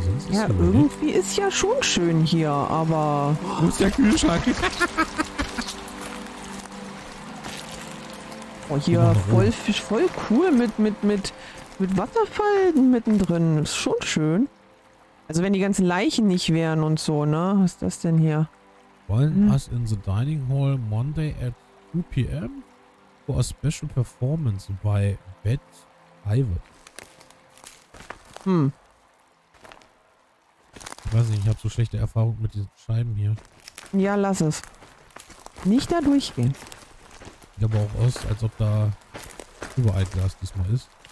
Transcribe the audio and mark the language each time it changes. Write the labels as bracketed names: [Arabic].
[German] Ja, irgendwie ist ja schon schön hier, aber... Wo ist der Kühlschrank? Oh, hier voll cool mit Wasserfall mittendrin. Ist schon schön. Also wenn die ganzen Leichen nicht wären und so, ne? Was ist das denn hier? [English] Wollen us in the dining hall Monday at 2 p.m. for a special performance by Bet Ivy. [German] Ich weiß nicht, ich habe so schlechte Erfahrungen mit diesen Scheiben hier. Ja, lass es. Nicht da durchgehen. Sieht aber auch aus, als ob da überall Glas diesmal ist.